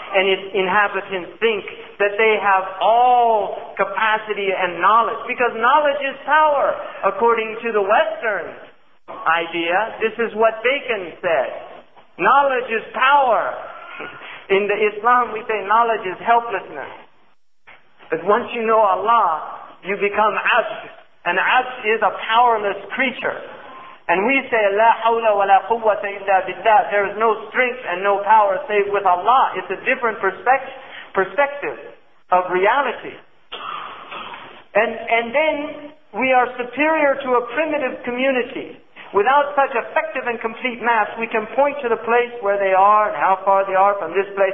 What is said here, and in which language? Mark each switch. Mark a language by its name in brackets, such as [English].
[English] And its inhabitants think that they have all capacity and knowledge, because knowledge is power, according to the Western idea. This is what Bacon said. Knowledge is power. In the Islam, we say knowledge is helplessness. But once you know Allah, you become abd. And abd is a powerless creature. And we say, [Arabic] لا حول ولا قوة إلا بالله. [English] There is no strength and no power save with Allah. It's a different perspective of reality. And then we are superior to a primitive community. Without such effective and complete maps, we can point to the place where they are and how far they are from this place.